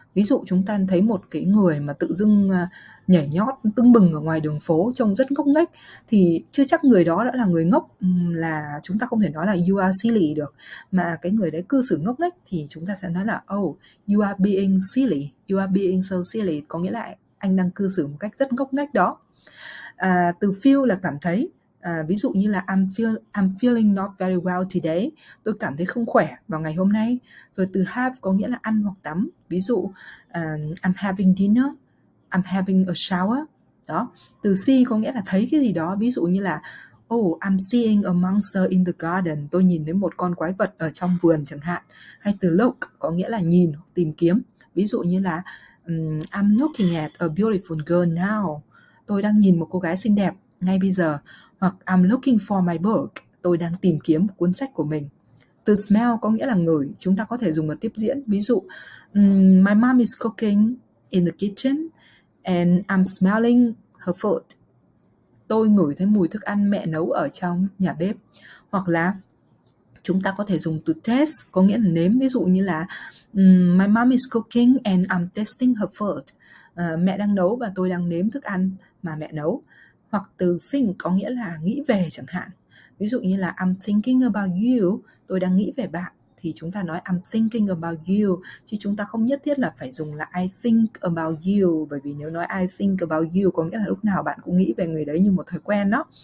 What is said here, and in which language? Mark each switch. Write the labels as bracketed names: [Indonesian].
[Vietnamese] Ví dụ chúng ta thấy một cái người mà tự dưng nhảy nhót tưng bừng ở ngoài đường phố trông rất ngốc nghếch thì chưa chắc người đó đã là người ngốc, là chúng ta không thể nói là [English] you are silly [Vietnamese] được, mà cái người đấy cư xử ngốc nghếch thì chúng ta sẽ nói là [English] oh you are being silly, you are being so silly, [Vietnamese] có nghĩa là anh đang cư xử một cách rất ngốc nghếch đó. Từ feel là cảm thấy. Ví dụ như là [English] I'm feeling not very well today. [Vietnamese] Tôi cảm thấy không khỏe vào ngày hôm nay. Rồi từ have có nghĩa là ăn hoặc tắm. Ví dụ [English] I'm having dinner, I'm having a shower. [Vietnamese] Đó. Từ see có nghĩa là thấy cái gì đó. Ví dụ như là [English] oh, I'm seeing a monster in the garden. [Vietnamese] Tôi nhìn thấy một con quái vật ở trong vườn chẳng hạn. Hay từ look có nghĩa là nhìn hoặc tìm kiếm. Ví dụ như là [English] I'm looking at a beautiful girl now. [Vietnamese] Tôi đang nhìn một cô gái xinh đẹp ngay bây giờ. Hoặc [English] I'm looking for my book, [Vietnamese] tôi đang tìm kiếm cuốn sách của mình. Từ smell có nghĩa là ngửi, chúng ta có thể dùng vào tiếp diễn. Ví dụ, [English] my mom is cooking in the kitchen and I'm smelling her food. [Vietnamese] Tôi ngửi thấy mùi thức ăn mẹ nấu ở trong nhà bếp. Hoặc là chúng ta có thể dùng từ taste có nghĩa là nếm. Ví dụ như là [English] my mom is cooking and I'm tasting her food. [Vietnamese] Mẹ đang nấu và tôi đang nếm thức ăn mà mẹ nấu. Hoặc từ think có nghĩa là nghĩ về chẳng hạn. Ví dụ như là [English] I'm thinking about you, [Vietnamese] tôi đang nghĩ về bạn, thì chúng ta nói I'm thinking about you, chứ chúng ta không nhất thiết là phải dùng là [English] I think about you, [Vietnamese] bởi vì nếu nói I think about you có nghĩa là lúc nào bạn cũng nghĩ về người đấy như một thói quen đó.